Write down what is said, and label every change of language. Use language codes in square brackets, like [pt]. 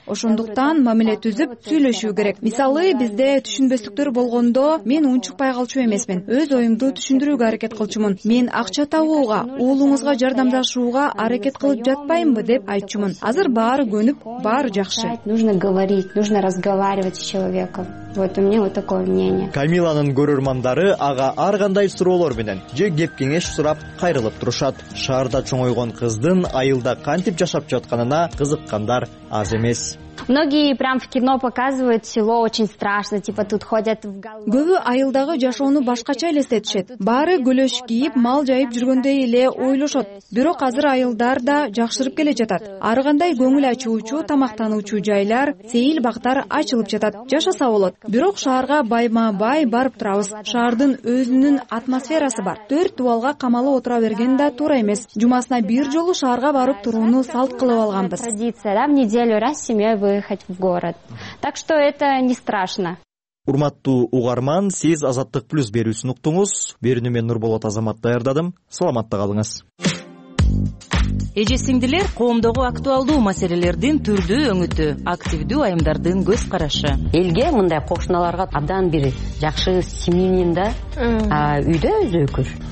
[ky] Ошондуктан мамиле түзүп сүйлөшүү керек. Мисалы, бизде түшүнбөстүктөр болгондо мен унчукпай калчу эмесмин. Өз оюмду түшүндүрүүгө аракет кылчумун. Мен акча табууга, уулуңузга жардамдашууга аракет кылып жатпаймынбы деп айтчумун. Азыр баары көнүп, баары жакшы. [ru] Нужно говорить, нужно разговаривать с человеком. Вот у меня вот такое мнение. [ky] Камиланын көрөрмандары ага ар кандай суроолор менен же кеп-кеңеш сурап кайрылып турушат. Шаарда чоңойгон кыздын айылда кантип жашап жатканына кызыккандар аз эмес. [ru] Многие прямо в кино показывают село очень страшно, типа тут ходят в галу. [ky] Көбү айылдагы жашоону башкача элестетишет. Баары көлөш кийип, мал жайып жүргөндөй эле ойлошот. Бирок азыр айылдар да жакшырып келе жатат. Ар кандай көңүл ачуучу, тамактануучу жайлар, сейил бактар ачылып жатат. Жашаса болот. Бирок шаарга байма-бай барып турабыз. Шаардын өзүнүн атмосферасы бар. Төрт дубалга камалып отура берген да туура эмес. Жумасына бир жолу шаарга барып турууну салт кылып алганбыз. [ru] Традиция, да, в неделю раз семья выехать в город. Так что это не страшно. [ky] Урматтуу угарман, сиз Азаттык Плюс берүүсүн уктуңуз. Берүүнү мен Нурболот Азамат даярдадым. Саламатта калыңыз. Эже сиңдилер, коомдогу актуалдуу маселелердин түрдүү өңүтү, активдүү айымдардын көз карашы. Элге мындай кошуналарга абдан бир жакшы семьянин да, а үйдө өзү өкүр.